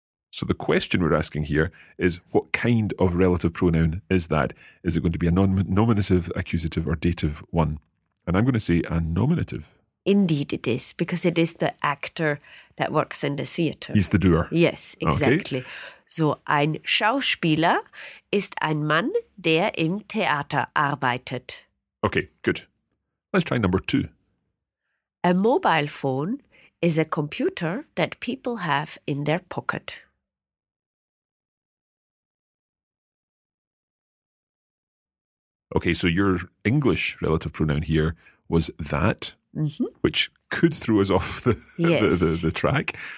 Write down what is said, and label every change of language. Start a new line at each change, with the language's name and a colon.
English: So the question we're asking here is, what kind of relative pronoun is that? Is it going to be a nominative, accusative, or dative one? And I'm going to say a nominative. Indeed it is, because it is the actor that works in the theatre. He's the doer. Yes, exactly. Okay.
German: So ein Schauspieler ist ein Mann, der im Theater arbeitet.
English: Okay, good. Let's try number two. A mobile phone is a computer that people have in their pocket. Okay, so your English relative pronoun here was that, which could throw us off the track.